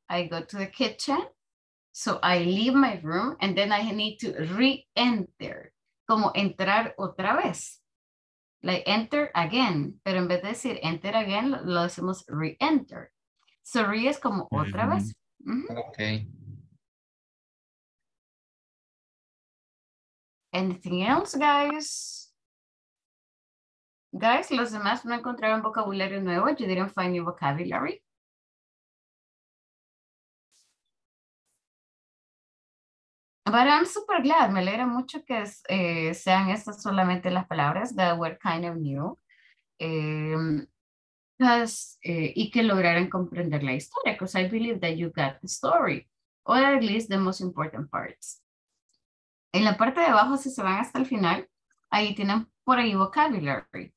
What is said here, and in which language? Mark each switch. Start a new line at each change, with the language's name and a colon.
English: I go to the kitchen, so I leave my room, and then I need to re-enter.
Spanish: Como entrar otra vez.
English: Like, enter again.
Spanish: Pero en vez de decir enter again, lo decimos re-enter. So re es como otra vez. Mm-hmm. Okay.
English: Anything else, guys? Guys,
Spanish: los demás no encontraron vocabulario nuevo.
English: You didn't find new vocabulary. But I'm super glad.
Spanish: Me alegra mucho que sean estas solamente las palabras
English: that were kind of new.
Spanish: Y que lograran comprender la historia,
English: because I believe that you got the story, or at least the most important parts.
Spanish: En la parte de abajo, si se van hasta el final, ahí tienen por ahí vocabulary.